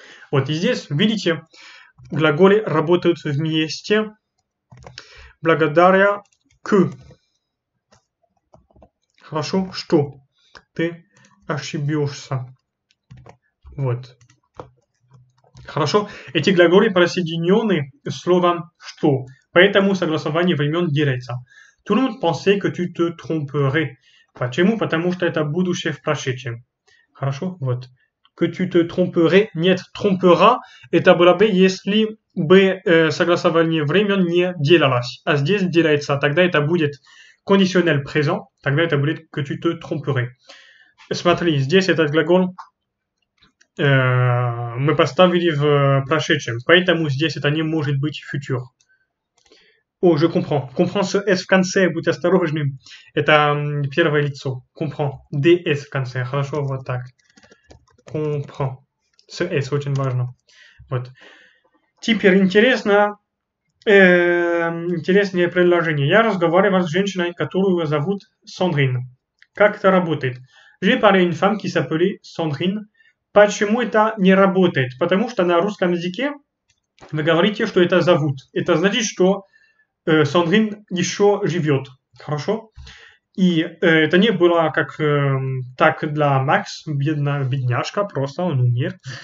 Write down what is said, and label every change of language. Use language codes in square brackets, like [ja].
[ru] Вот и здесь, видите, глаголы работают вместе благодаря «к». Хорошо, что ты ошибешься. Вот. Хорошо, эти глаголы присоединены словом «что», поэтому согласование времен делается. [fr] Tout le monde pensait que tu te tromperais. [ru] Почему? Потому что это будущее в прошедшем. [fr] Хорошо? Вот. Que tu te tromperais. [ru] Нет, trompera. Это было бы, если бы согласование времен не делалось. А здесь делается. Тогда это будет conditionnel présent. Тогда это будет [fr] que tu te tromperais. [ru] Смотри, здесь этот глагол мы поставили в прошедшем. Поэтому здесь это не может быть futur. [fr] О, oh, je comprends. [ru] Comprends ce S в конце, будь осторожным. Это первое лицо. Comprends. DS в конце. Хорошо, вот так. Comprends. Ce S очень важно. Вот. Теперь интересно, интереснее предложение. Я разговариваю с женщиной, которую зовут Сандрин. Как это работает? [fr] J'ai parlé une femme qui s'appelait Sandrine. [ru] Почему это не работает? Потому что на русском языке вы говорите, что это зовут. Это значит, что Сандрин еще живет. Хорошо? И это не было как так для Макс, бедняжка, просто он умер.